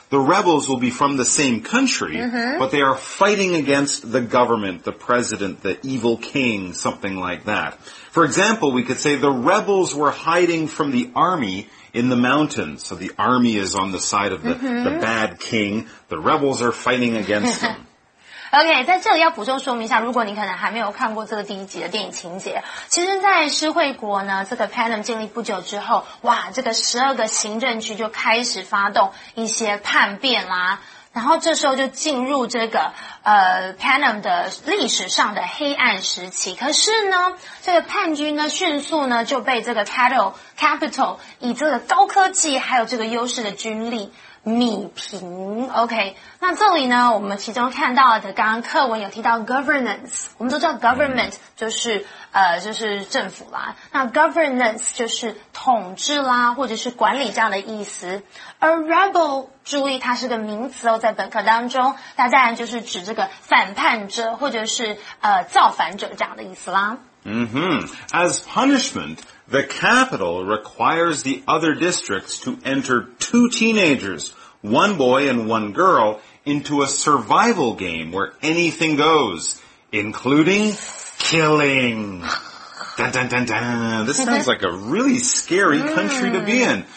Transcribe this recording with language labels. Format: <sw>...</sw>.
<en>The rebels will be from the same country, but they are fighting against the government, the president, the evil king, something like that. For example, we could say the rebels were hiding from the army in the mountains. So the army is on the side of the bad king. The rebels are fighting against them.</en> <zh>OK， 在这里要补充说明一下，如果你可能还没有看过这个第一集的电影情节，其实在诗惠国呢，这个 Panem 建立不久之后，哇，这个12个行政区就开始发动一些叛变啦，然后这时候就进入这个Panem 的历史上的黑暗时期。可是呢，这个叛军呢迅速呢就被这个 Capital 以这个高科技还有这个优势的军力米平 ，OK。那这里呢，我们其中看到的，刚刚课文有提到 governance， 我们都知道 government 就是就是政府啦。那 governance 就是统治啦，或者是管理这样的意思。而 rebel， 注意它是个名词哦，在本课当中，它当然就是指这个反叛者或者是造反者这样的意思啦。 Mm-hmm.</zh> <en>As punishment, the capital requires the other districts to enter two teenagers, one boy and one girl, into a survival game where anything goes, including killing. Dun, dun, dun, dun. This sounds like a really scary country to be in.</en>